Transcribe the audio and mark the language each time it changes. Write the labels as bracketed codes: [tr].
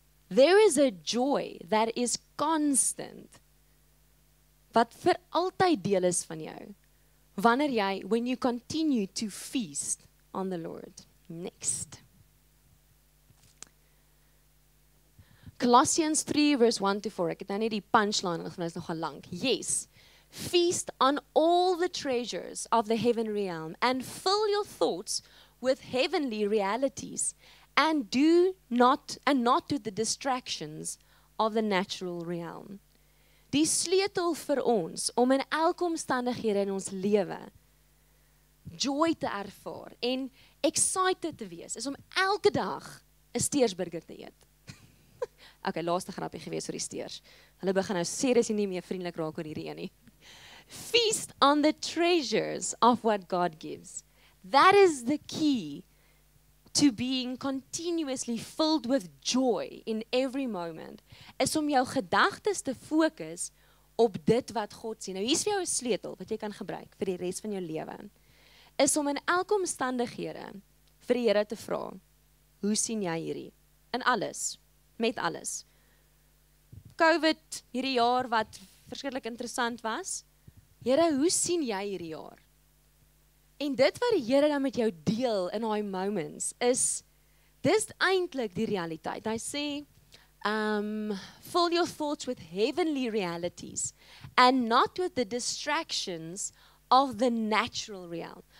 [en] There is a joy that is constant, [af] wat vir altyd deel is van jou, wanneer jy, [en] when you continue to feast on the Lord. Next. Colossians 3 verse 1 to 4. [af] Ek het nou net die punchline, want is nogal lank. [en] Yes. Feast on all the treasures of the heaven realm and fill your thoughts with heavenly realities and not to the distractions of the natural realm. [af] Die sleutel vir ons om in elke omstandighede in ons lewe joy te ervaar en excited te wees is om elke dag 'n steersburger te eet. Okay, laaste grappie gewees oor die steers. Hulle begin nou serieus nie meer vriendelik raak oor hierdie een nie. [en] Feast on the treasures of what God gives. That is the key to being continuously filled with joy in every moment. [af] Is om jou gedagtes te fokus op dit wat God sê. Nou, hier's vir jou 'n sleutel wat jy kan gebruik vir die res van jou lewe. Is om in elke omstandighede vir die Here te vra, hoe sien jy hierdie? In alles. Met alles. COVID hierdie jaar wat verskriklik interessant was. Here, hoe sien jy hierdie jaar? En dit wat die Here dan met jou deel in daai moments is, dis eintlik die realiteit. Hy sê, [en] fill your thoughts with heavenly realities and not with the distractions of the natural realm.